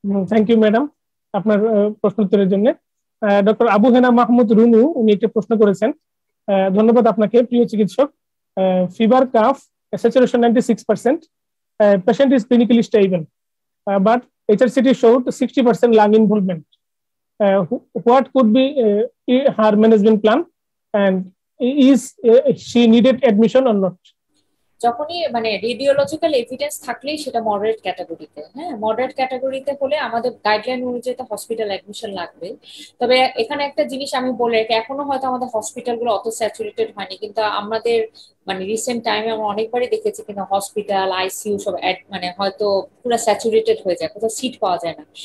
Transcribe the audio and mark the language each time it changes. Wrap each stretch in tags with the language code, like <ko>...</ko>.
<en>thank you madam</en> <bn>আপনার প্রশ্ন উত্তরের জন্য। ডক্টর আবু হেনা মাহমুদ রুনু উনি একটা প্রশ্ন করেছেন, ধন্যবাদ আপনাকে প্রিয় চিকিৎসক।</bn> <en>Fever cough saturation 96%, patient is clinically stable but HRCT showed 60% lung involvement. What could be her management plan and is she needed admission or not?</en> <bn>যখনই মানে রেডিওলজিক্যাল এভিডেন্স থাকলেই সেটা মডারেট ক্যাটাগরিতে, হ্যাঁ মডারেট ক্যাটাগরিতে হলে আমাদের গাইডলাইন অনুযায়ী তো হসপিটাল অ্যাডমিশন লাগবে। তবে এখানে একটা জিনিস আমি বলে রাখি, এখনো হয়তো আমাদের হসপিটালগুলো অত স্যাচুরেটেড হয়নি, কিন্তু আমাদের মানে রিসেন্ট টাইমে আমরা অনেকবারই দেখেছি কিন্তু হসপিটাল ICU সব মানে হয়তো পুরো স্যাচুরেটেড হয়ে যায়, কোথাও সিট পাওয়া যায় না।</bn>